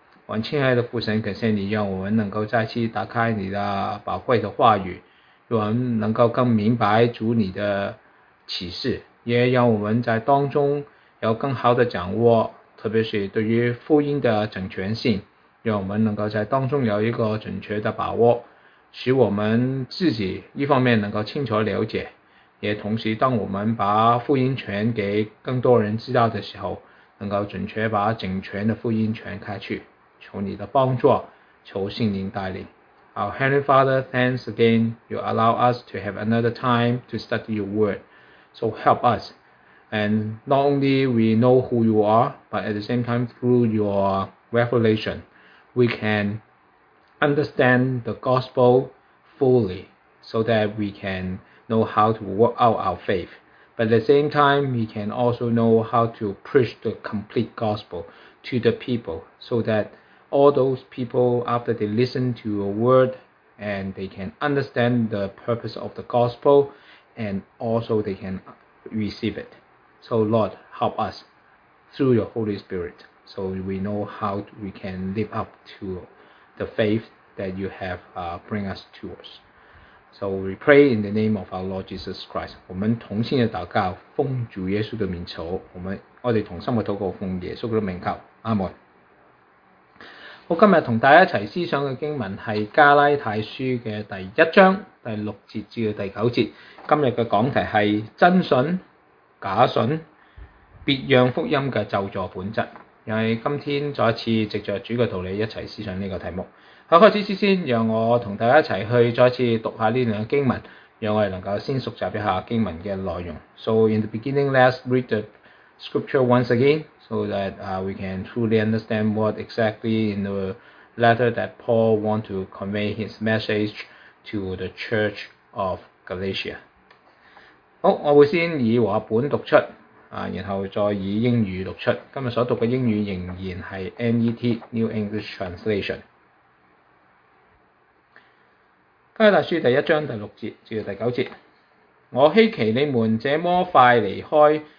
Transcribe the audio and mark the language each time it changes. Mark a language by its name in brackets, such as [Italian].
[Chinese] 我亲爱的父神，感谢你让我们能够再次打开你的宝贵的话语，让我们能够更明白主你的启示，也让我们在当中有更好的掌握，特别是对于福音的整全性，让我们能够在当中有一个准确的把握，使我们自己一方面能够清楚了解，也同时当我们把福音传给更多人知道的时候，能够准确把整全的福音传开去。求你的帮助，求圣灵带领。 [English] Our Heavenly Father, thanks again you allow us to have another time to study your word. So help us. And not only we know who you are, but at the same time through your revelation, we can understand the gospel fully so that we can know how to work out our faith. But at the same time, we can also know how to preach the complete gospel to the people so thatall those people, after they listen to your word, and they can understand the purpose of the gospel, and also they can receive it. So Lord, help us through your Holy Spirit, so we know how we can live up to the faith that you have bring us towards. So we pray in the name of our Lord Jesus Christ. [Chinese] 我们同心的祷告，奉主耶稣的名求，我们同心的祷告，奉耶稣的名求，阿们。我今天和大家一起思想的经文是加拉太书的第一章第六节至第九节，今天的讲题是真信假信别样福音的咒诅本质，也是今天再一次藉着主的道理一起思想这个题目。在开始之前，让我和大家一起去再次读一下这两个经文，让我们能够先熟悉一下经文的内容。 [English] So in the beginning, let's read theScripture once again, so that we can truly understand what exactly in the letter that Paul want to convey his message to the Church of Galatia. [Chinese] 好，我会先以华本读出，然后再以英语读出。今日所读的英语仍然是 NET New English Translation。加拉太书第一章第六节至第九节，我希奇你们这么快离开。